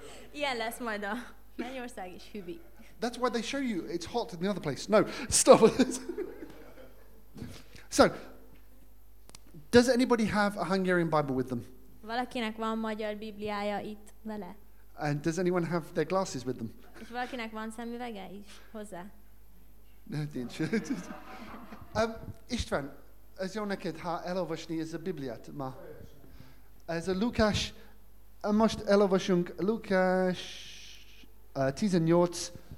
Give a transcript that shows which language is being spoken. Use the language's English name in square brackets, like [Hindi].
[Hungarian] Ilyen lesz majd a mennyország is hűvi. [English] That's why they show you it's hot in the other place. No, stop it. So, does anybody have a Hungarian Bible with them? [Hungarian] Valakinek van magyar bibliája itt vele? [English] And does anyone have their glasses with them? [Hungarian] És valakinek van szemüvege is hozzá? No, nincs. István. Ez jó neked, ha elolvasni ez a Bibliát ma. Ez a Lukás, most elolvasunk Lukás 18.